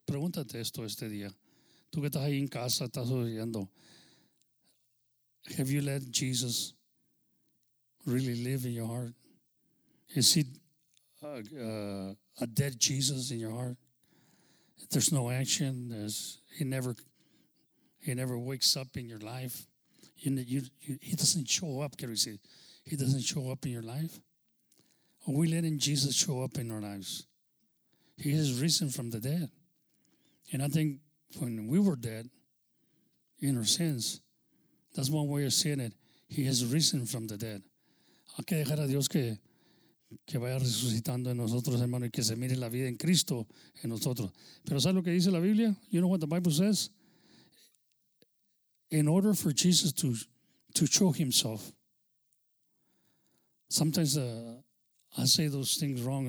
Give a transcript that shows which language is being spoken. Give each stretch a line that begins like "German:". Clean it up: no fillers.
Spanish: Pregúntate esto este día. Tú que estás ahí en casa, estás oyendo.
English: ¿Have you let Jesus really live in your heart? ¿Es a dead Jesus in your heart? There's no action. He never wakes up in your life. He doesn't show up. Can we say he doesn't show up in your life? Are we letting Jesus show up in our lives? He has risen from the dead. And I think when we were dead in our sins, that's one way of saying it. He has risen from the dead.
Spanish: Hay que dejar a Dios que vaya resucitando en nosotros, hermano, y que se mire la vida en Cristo en nosotros. Pero ¿sabes lo que dice la Biblia?
English: You know what the Bible says? In order for Jesus to show himself, sometimes I say those things wrong.